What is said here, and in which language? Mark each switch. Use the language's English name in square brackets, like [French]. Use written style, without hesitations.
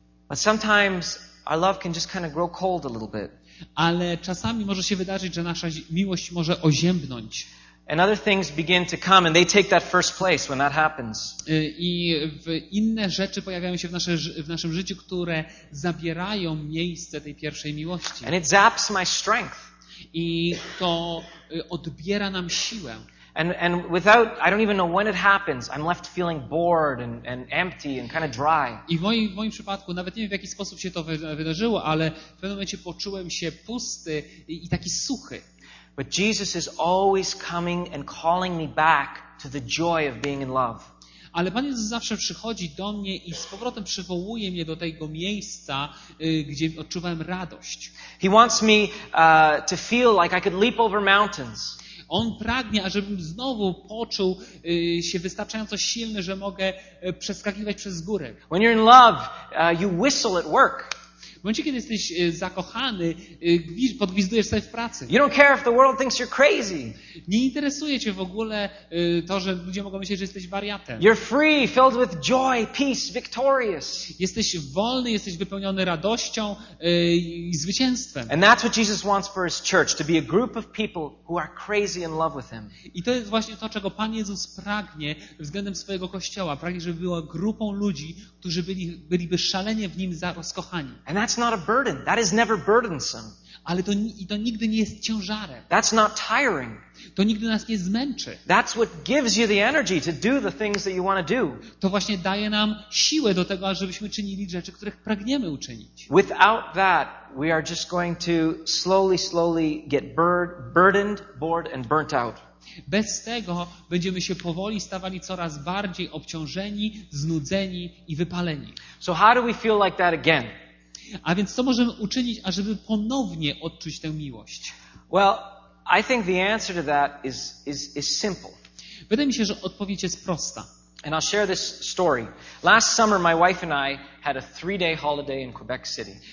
[English] But sometimes our love can just kind of grow cold a little bit. [Polish] Ale czasami może się wydarzyć, że nasza miłość może oziębnąć. [English] And other things begin to come and they take that first place when that happens. [Polish] I inne rzeczy pojawiają się w naszym życiu, które zabierają miejsce tej pierwszej miłości. [English] And it zaps my strength. [Polish] I to odbiera nam siłę. [English] And without, I don't even know when it happens, I'm left feeling bored and empty and kind of dry. [Polish] I w moim przypadku nawet nie wiem, w jaki sposób się to wydarzyło, ale w pewnym momencie poczułem się pusty i taki suchy. [English] But Jesus is always coming and calling me back to the joy of being in love. [Polish] Ale Pan Jezus zawsze przychodzi do mnie i z powrotem przywołuje mnie do tego miejsca, gdzie odczuwałem radość. [English] He wants me to feel like I could leap over mountains. [Polish] On pragnie, ażebym znowu poczuł się wystarczająco silny, że mogę przeskakiwać przez góry. [English] When you're in love, you whistle at work. [Polish] W momencie, kiedy jesteś zakochany, podgwizdujesz sobie w pracy. [English] You don't care if the world thinks you're crazy. [Polish] Nie interesuje cię w ogóle to, że ludzie mogą myśleć, że jesteś wariatem. [English] You're free, filled with joy, peace, victorious. [Polish] Jesteś wolny, jesteś wypełniony radością i zwycięstwem. [English] And that's what Jesus wants for his church, to be a group of people who are crazy in love with him. [Polish] I to jest właśnie to, czego Pan Jezus pragnie względem swojego kościoła. Pragnie, żeby była grupą ludzi, którzy byliby szalenie w nim rozkochani. [English] That's not a burden. That is never burdensome. [Polish] Ale to nigdy nie jest ciężarem. [English] That's not tiring. [Polish] To nigdy nas nie zmęczy. [English] That's what gives you the energy to do the things that you want to do. [Polish] To właśnie daje nam siłę do tego, ażebyśmy czynili rzeczy, których pragniemy uczynić. [English] Without that, we are just going to slowly, slowly get burdened, bored and burnt out. [Polish] Bez tego będziemy się powoli stawali coraz bardziej obciążeni, znudzeni i wypaleni. [English] So how do we feel like that again? [Polish] A więc co możemy uczynić, ażeby ponownie odczuć tę miłość? [English] Well, I think the answer to that is simple. [Polish] Wydaje mi się, że odpowiedź jest prosta. [English] And I'll share this story. Last summer my wife and I had a 3-day holiday in Quebec City.